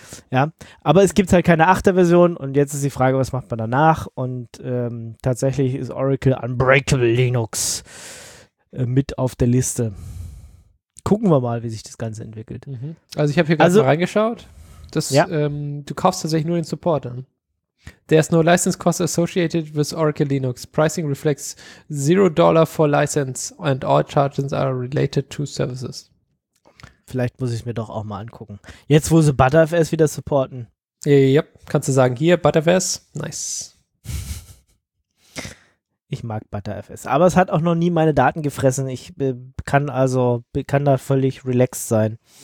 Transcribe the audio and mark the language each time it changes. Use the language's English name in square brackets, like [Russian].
[German] Ja, aber es gibt halt keine 8er Version und jetzt ist die Frage, was macht man danach? Und tatsächlich ist Oracle Unbreakable Linux mit auf der Liste. Gucken wir mal, wie sich das Ganze entwickelt. Also ich habe hier gerade mal reingeschaut. Du kaufst tatsächlich nur den Support an. [English] There's no license cost associated with Oracle Linux. Pricing reflects $0 for license and all charges are related to services. [German] Vielleicht muss ich mir doch auch mal angucken. Jetzt, wo sie ButterFS wieder supporten. Yep, kannst du sagen, hier, ButterFS, nice. Ich mag ButterFS, aber es hat auch noch nie meine Daten gefressen. Ich kann da völlig relaxed sein.